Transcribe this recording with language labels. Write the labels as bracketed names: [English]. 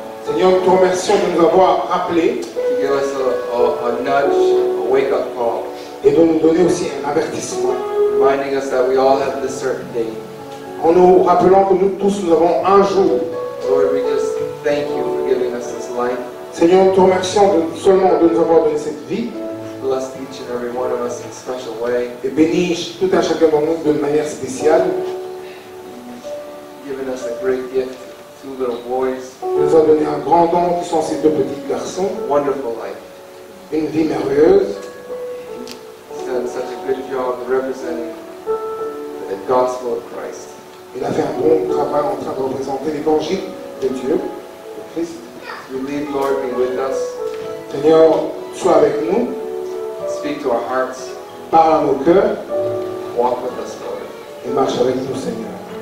[French] Seigneur, nous te remercions de nous avoir rappelé et de nous donner aussi un avertissement. [English] Reminding us that we all have this certain day. [French] En nous rappelant que nous tous nous avons un jour. [English] Lord, we just thank you for giving us this life. [French] Seigneur, nous te remercions seulement de nous avoir donné cette vie. [English] Bless each and every one of us in a special way. [French] Et bénis tout un chacun d'entre nous d'une manière spéciale. [English] Giving us a great gift, two little boys. [French] Nous a donné un grand don qui sont ces deux petits garçons. [English] Wonderful life. [French] Une vie merveilleuse. [English] Such a good job representing the gospel of Christ. [French] Il a fait un bon travail en train de représenter l'évangile de Dieu, de Christ. [English] We lead, Lord, be with us. [French] Seigneur, sois avec nous. [English] Speak to our hearts. [French] Parle à nos cœurs. [English] Walk with us, Lord. [French] Et marche avec nous, Seigneur.